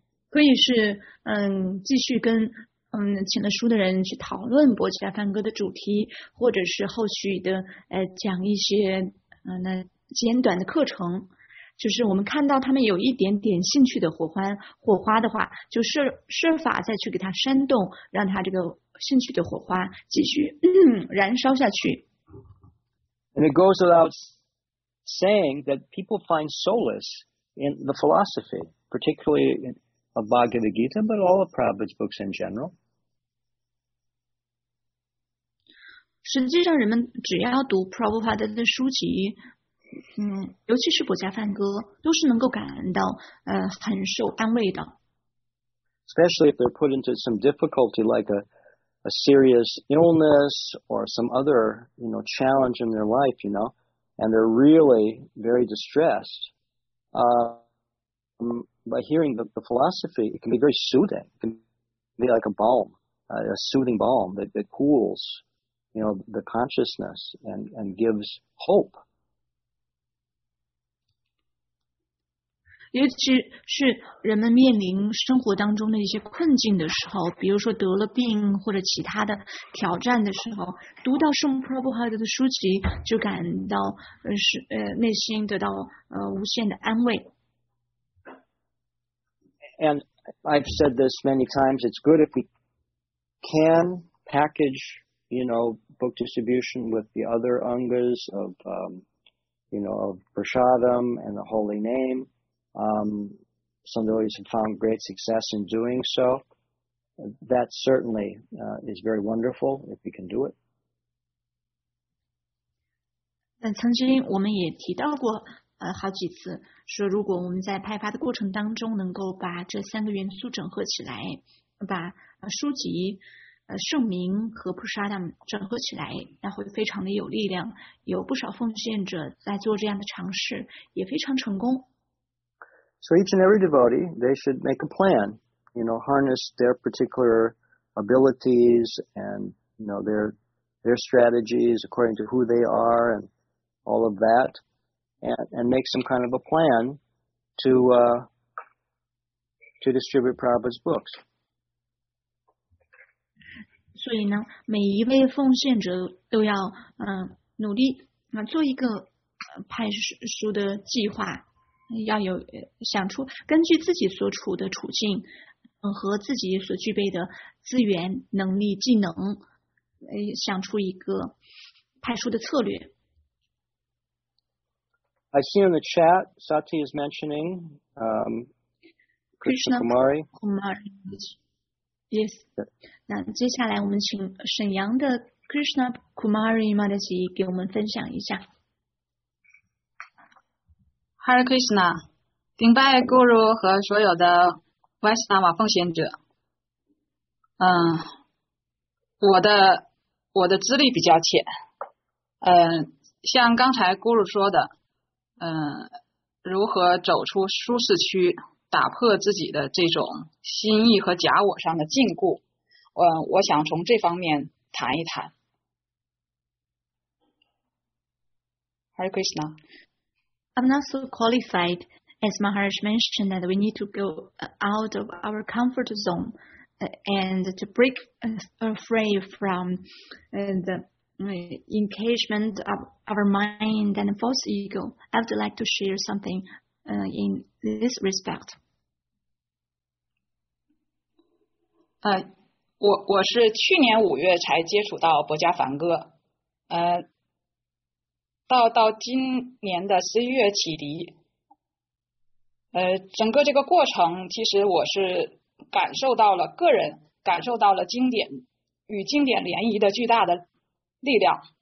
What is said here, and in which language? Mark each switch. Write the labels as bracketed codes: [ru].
[zh] 可以是继续跟请了书的人去讨论博伽梵歌的主题，或者是后续的讲一些简短的课程，就是我们看到他们有一点点兴趣的火花的话，就设法再去给他煽动，让他这个兴趣的火花继续燃烧下去。 [en] And it goes without saying that people find solace in the philosophy, particularly inof Bhagavad Gita, but all of Prabhupada's books in general. [zh] 实际上人们只要读 Prabhupada 的书籍，尤其是博伽梵歌，都是能够感到很受安慰的。 [en] Especially if they're put into some difficulty like a serious illness or some other, you know, challenge in their life, you know, and they're really very distressed. By hearing the philosophy, it can be very soothing. It can be like a balm, a soothing balm that cools, you know, the consciousness and gives hope. [zh] 尤其是人们面临生活当中的一些困境的时候，比如说得了病或者其他的挑战的时候，读到圣普拉布哈德的书籍，就感到内心得到无限的安慰。 [en] And I've said this many times. It's good if we can package, you know, book distribution with the other angas of, you know, of prasadam and the holy name. Some devotees have found great success in doing so. That certainly is very wonderful if we can do it. [zh] 但曾经我们也提到过好几次，说如果我们在派发的过程当中能够把这三个元素整合起来，把书籍、圣名和普沙达整合起来，那会非常的有力量。有不少奉献者在做这样的尝试，也非常成功。 [en] So each and every devotee, they should make a plan, you know, harness their particular abilities and, you know, their strategies according to who they are and all of that, and make some kind of a plan to distribute Prabhupada's books. [zh] 所以呢，每一位奉献者都要努力做一个派书的计划。要有想出根据自己所处的处境和自己所具备的资源能力技能想出一个派书的策略。 [en] I see in the chat, Sati is mentioning, Krishna Kumari. [zh] Yes. 那接下来我们请沈阳的 Krishna Kumari Madhaji 给我们分享一下。 Hare Krishna, 顶拜 Guru 和所有的 Vaishnava 奉献者。我的资历比较浅。像刚才 Guru 说的，如何走出舒适区，打破自己的这种心意和假我上的禁锢，我想从这方面谈一谈。 [en] Hare Krishna. I'm not so qualified, as Maharaj mentioned, that we need to go out of our comfort zone and to break free from the engagement of our mind and false ego. I would like to share something in this respect. [zh] 我是去年五月才接触到薄伽梵歌。到今年的十一月启迪，整个这个过程，其实我是感受到了个人感受到了经典与经典联谊的巨大的力量。